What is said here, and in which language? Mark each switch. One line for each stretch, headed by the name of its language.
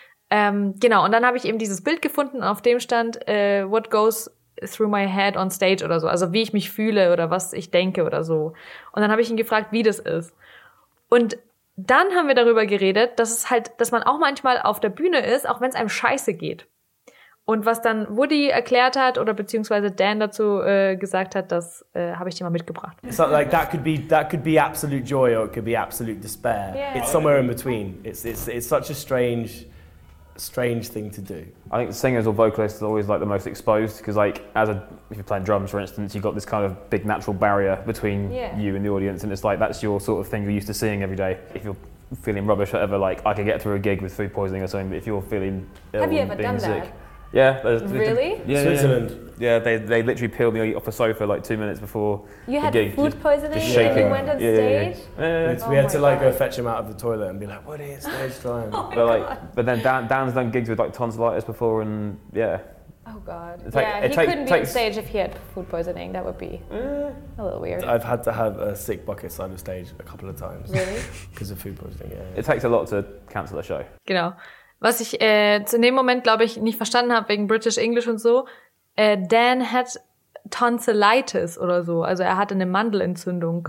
German: Genau, und dann habe ich eben dieses Bild gefunden, auf dem stand,
English: what goes through my head on stage
German: oder so, also wie ich mich fühle oder was ich denke oder so. Und dann habe ich ihn gefragt, wie das ist. Und dann haben wir darüber geredet, dass es halt, dass man auch manchmal auf der Bühne ist, auch wenn es einem scheiße geht. Und was dann Woody erklärt hat oder beziehungsweise Dan dazu gesagt hat, das habe ich dir mal mitgebracht.
English: It's not like that could be absolute joy or it could be absolute despair. Yeah. It's somewhere in between. It's such a strange thing to do. I think the singers or vocalists are always like the most exposed because like if you're playing drums, for instance, you've got this kind of big natural barrier between you and the audience, and it's like that's your sort of thing you're used to seeing every day. If you're feeling rubbish or whatever, like I can get through a gig with food poisoning or something, but if you're feeling ill have you ever being done sick, that? Yeah. Really? Yeah, Switzerland. Yeah, they literally peeled me off a sofa like 2 minutes before you the gig. You had food poisoning just shaking. And you went on stage? Yeah. We had to like go fetch him out of the toilet and be like, what is stage time? Oh but like, God. But then Dan's done gigs with like tonsillitis before and yeah. Oh God. He couldn't be on stage if he had food poisoning. That would be a little weird. I've had to have a sick bucket side of stage a couple of times. Really? Because of food poisoning, yeah. It takes a lot to cancel a show.
German: Genau. Was ich zu dem Moment, glaube ich, nicht verstanden habe, wegen British English und so, Dan hat Tonsillitis oder so. Also er hatte eine Mandelentzündung.